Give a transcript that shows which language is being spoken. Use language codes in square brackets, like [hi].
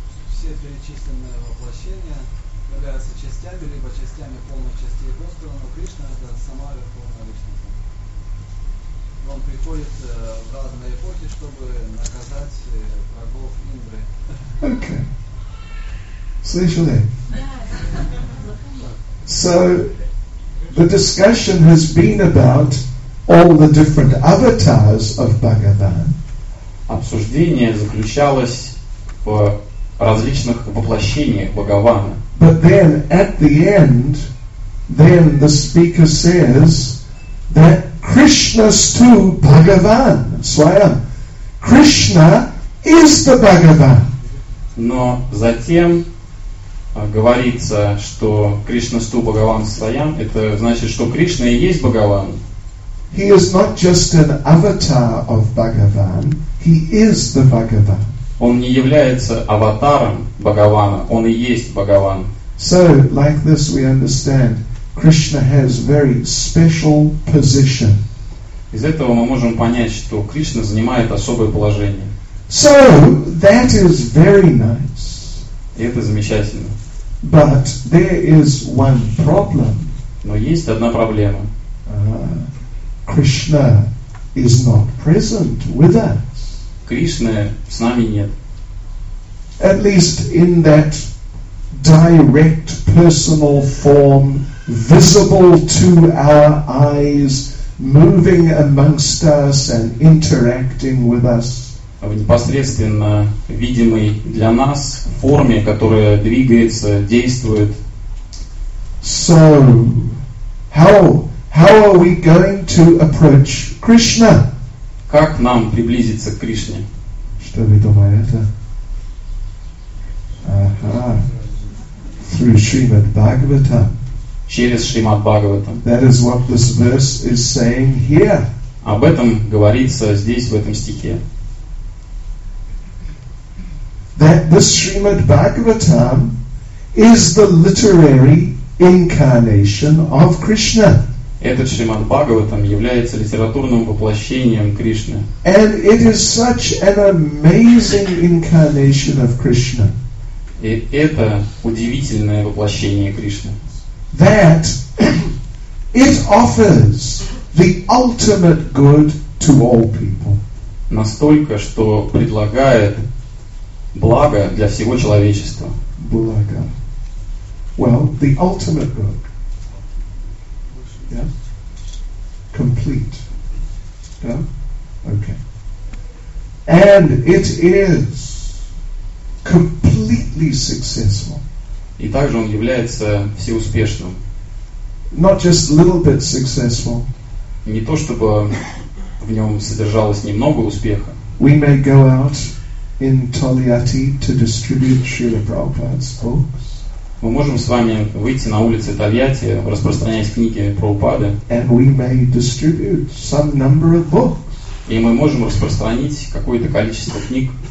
[ru] Все перечисленные воплощения являются частями, либо частями полных частей Господа, но Кришна – это сама Верховная Личность. Он приходит в разные эпохи, чтобы наказать врагов Индры. [en] Okay. [ru] Слышали? [en] So, the discussion has been about all the different avatars of Bhagavan. [ru] Обсуждение заключалось в различных воплощениях Бхагавана. [en] But then, at the end, then the speaker says that [sa] Krishna's too Bhagavan, Swayam. [en] Krishna is the Bhagavan. [ru] Но затем говорится, что [sa] Krishna's too Bhagavan, Swayam, [ru] это значит, что Кришна и есть Бхагаван. [en] He is not just an avatar of Bhagavan, he is the Bhagavan. [ru] Он не является аватаром Бхагавана, он и есть Бхагаван. [en] So, like this we understand, Krishna has very special position. [ru] Из этого мы можем понять, что Кришна занимает особое положение. [en] So, that is very nice. [ru] И это замечательно. [en] But there is one problem. [ru] Но есть одна проблема. [en] Krishna is not present with us. [ru] Кришны с нами нет. [en] At least in that direct personal form, visible to our eyes, moving amongst us and interacting with us. [ru] В непосредственно видимой для нас форме, которая двигается, действует. [en] So, how are we going to approach Krishna? [ru] Как нам приблизиться к Кришне? Что вы думаете? [en] Ага. Through Srimad Bhagavatam. [ru] Через Шримад Бхагаватам. [en] That is what this verse is saying here. [ru] Об этом говорится здесь, в этом стихе. [en] That this Srimad Bhagavatam is the literary incarnation of Krishna. [ru] Этот Шримад Бхагаватам является литературным воплощением Кришны. [en] And it is such an amazing incarnation of Krishna. [ru] И это удивительное воплощение Кришны. [en] That It offers the ultimate good to all people. [ru] Настолько, что предлагает благо для всего человечества. [en] Благо. Well, the ultimate good. Yeah? Complete. Yeah? Okay. And it is completely successful. [ru] И также он является всеуспешным. [en] Not just a little bit successful. [ru] Не то чтобы в нем содержалось немного успеха. [en] We may go out in Tolyatti to distribute Srila Prabhupada's books. [ru] Мы можем с вами выйти на улицы Тольятти, распространять книги Прабхупады. [en] And we may distribute some number of books. [ru] И мы можем распространить какое-то количество книг.